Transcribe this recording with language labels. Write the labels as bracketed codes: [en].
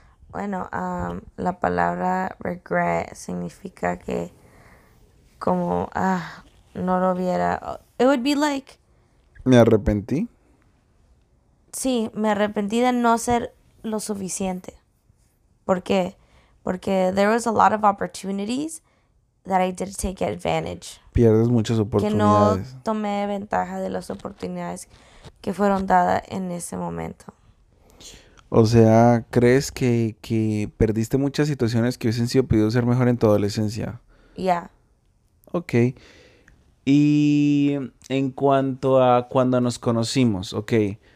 [es] Bueno, la palabra regret significa que como no lo hubiera. [en] It would be like. [es] ¿Me arrepentí? Sí, me arrepentí de no ser lo suficiente. ¿Por qué? [en] Porque there was a lot of opportunities that I didn't take advantage. [es] Pierdes muchas Que no oportunidades. tomé ventaja de las oportunidades que fueron dadas en ese momento. O sea, ¿crees que perdiste muchas situaciones que hubiesen sido podido ser mejor en tu adolescencia? Ok. Y en cuanto a cuando nos conocimos, ok.